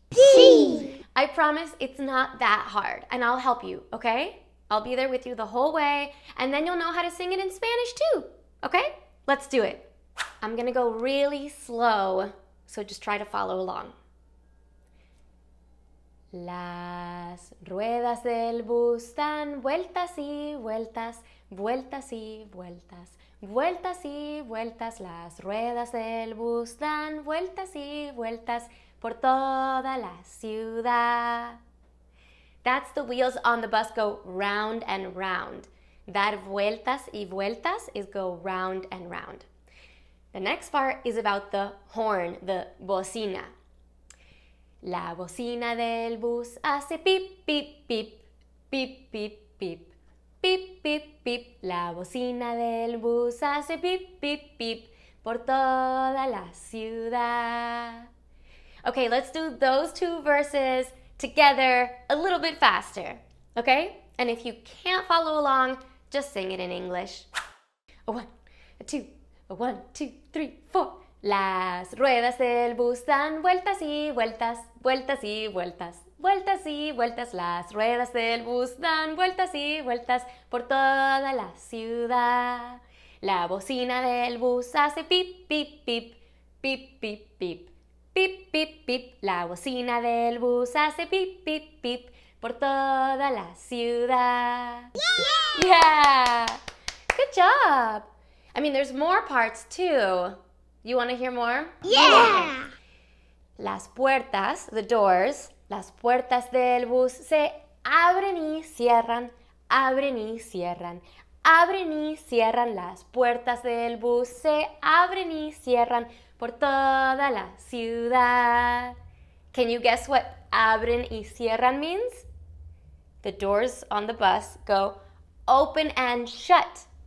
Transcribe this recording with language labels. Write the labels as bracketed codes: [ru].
[es] Sí! [en] I promise it's not that hard, and I'll help you, okay? I'll be there with you the whole way, and then you'll know how to sing it in Spanish too, okay? Let's do it. I'm gonna go really slow, so just try to follow along. [es] Las ruedas del bus dan vueltas y vueltas, vueltas y vueltas, vueltas y vueltas. Las ruedas del bus dan vueltas y vueltas por toda la ciudad. [en] That's the wheels on the bus go round and round. [es] Dar vueltas y vueltas [en] is go round and round. The next part is about the horn, the bocina. [es] La bocina del bus hace pip, pip, pip, pip, pip, pip, pip, pip, pip. La bocina del bus hace pip, pip, pip por toda la ciudad. [en] Okay, let's do those two verses together a little bit faster, okay? And if you can't follow along, just sing it in English. A one, a two. One, two, three, four. [es] Las ruedas del bus dan vueltas y vueltas, vueltas y vueltas, vueltas y vueltas. Las ruedas del bus dan vueltas y vueltas por toda la ciudad. La bocina del bus hace pip, pip, pip, pip, pip, pip, pip, pip, pip. La bocina del bus hace pip, pip, pip por toda la ciudad. [en] Yeah! Yeah! Good job! I mean, there's more parts too. You want to hear more? Yeah! [es] Las puertas, [en] the doors, [es] las puertas del bus se abren y cierran, abren y cierran, abren y cierran. Las puertas del bus se abren y cierran por toda la ciudad. [en] Can you guess what [es] abren y cierran [en] means? The doors on the bus go open and shut.